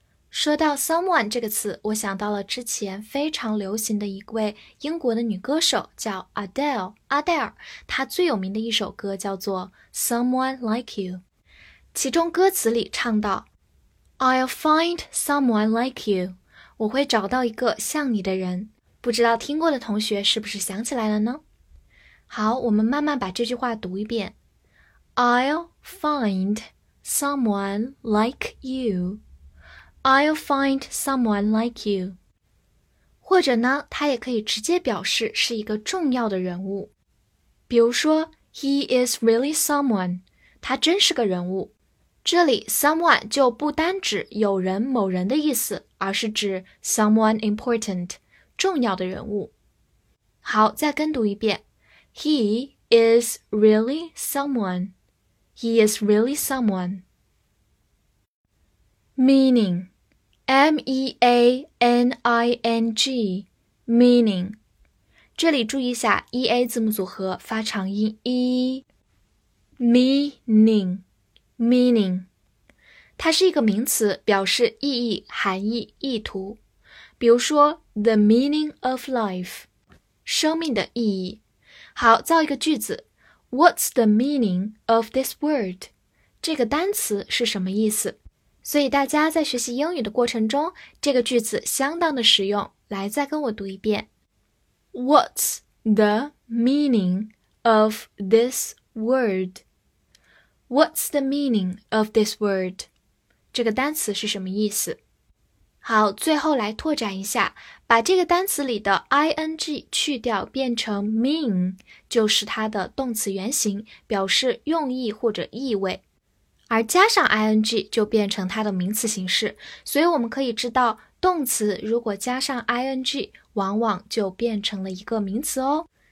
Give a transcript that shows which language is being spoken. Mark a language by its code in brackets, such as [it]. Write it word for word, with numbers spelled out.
[zh] 说到 someone 这个词，我想到了之前非常流行的一位英国的女歌手叫 Adele， 阿黛尔，她最有名的一首歌叫做 Someone Like You。其中歌词里唱到 [en] I'll find someone like you， [zh] 我会找到一个像你的人。不知道听过的同学是不是想起来了呢？好，我们慢慢把这句话读一遍。 [en] I'll find someone like you， I'll find someone like you。 [zh] 或者呢，它也可以直接表示是一个重要的人物，比如说 [en] He is really someone， [zh] 他真是个人物。这里 someone 就不单指有人某人的意思，而是指 [en] someone important， [zh] 重要的人物。好，再跟读一遍。 [en] He is really someone， He is really someone。 [zh] Meaning M E A N I N G Meaning， 这里注意一下 E A 字母组合发长音 E。 Meaning Meaning， 它是一个名词，表示意义、含义、意图。比如说 [en] The meaning of life， [zh] 生命的意义。好，造一个句子。 [en] What's the meaning of this word？ [zh] 这个单词是什么意思？所以大家在学习英语的过程中，这个句子相当的实用。来，再跟我读一遍。 [en] What's the meaning of this word？ What's the meaning of this word？ [zh] 这个单词是什么意思？好，最后来拓展一下，把这个单词里的 ing 去掉，变成 mean， 就是它的动词原形，表示用意或者意味。而加上 ing 就变成它的名词形式，所以我们可以知道，动词如果加上 ing， 往往就变成了一个名词哦。